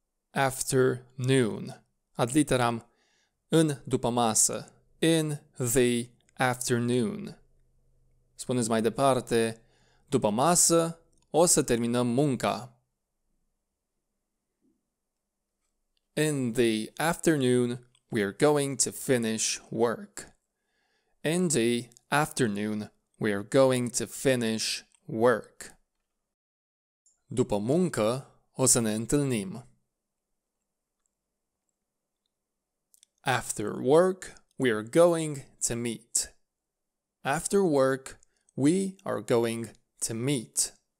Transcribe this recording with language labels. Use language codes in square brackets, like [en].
[ro] Afternoon. Ad literam, în după masă. [en] In the afternoon. [ro] Spuneți mai departe, după masă o să terminăm munca. [en] In the afternoon, we are going to finish work. In the afternoon, we are going to finish work. [ro] După muncă o să ne întâlnim. [en] After work, we are going to meet. After work, we are going to meet.